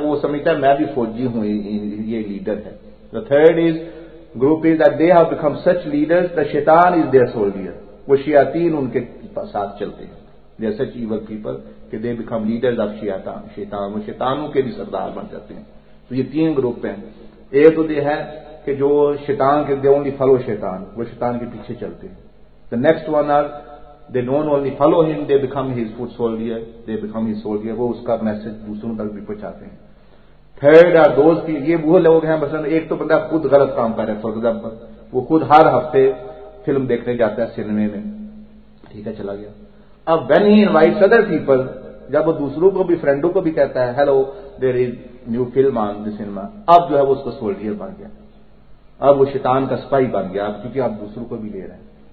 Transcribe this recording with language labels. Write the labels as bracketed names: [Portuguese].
[Urdu] وہ سمجھتا ہے میں بھی فوجی ہوں, یہ لیڈر ہے. [English] The third is group is that they have become such leaders that شیطان is their soldier. [Urdu] وہ شیاطین ان کے ساتھ چلتے ہیں. [English] They are such evil people کہ they become leaders of شیطان. [Urdu] شیطانوں کے بھی سردار بن جاتے ہیں. تو یہ تین گروپ ہیں. ایک تو یہ ہے کہ جو شیطان کے [English] only follow [Urdu] شیطان, وہ شیطان کے پیچھے چلتے ہیں. [English] The next one are they don't only follow him, they become his foot soldier, they become his soldier. [Urdu] وہ اس کا میسج دوسروں تک بھی پہنچاتے ہیں. [English] third are those, [Urdu] یہ وہ لوگ ہیں. مثلا ایک تو بندہ خود غلط کام کر رہا ہے, [English] for example [Urdu] وہ خود ہر ہفتے فلم دیکھنے جاتا ہے سنیمے میں, ٹھیک ہے چلا گیا. اب [English] when he invites other people, [Urdu] جب وہ دوسروں کو بھی فرینڈوں کو بھی کہتا ہے [English] hello there is new film on the cinema, [Urdu] اب جو ہے وہ اس کا سولڈیئر بن گیا, اب وہ شیطان کا سپاہی بن گیا, اب کیونکہ آپ دوسروں کو بھی لے رہے ہیں.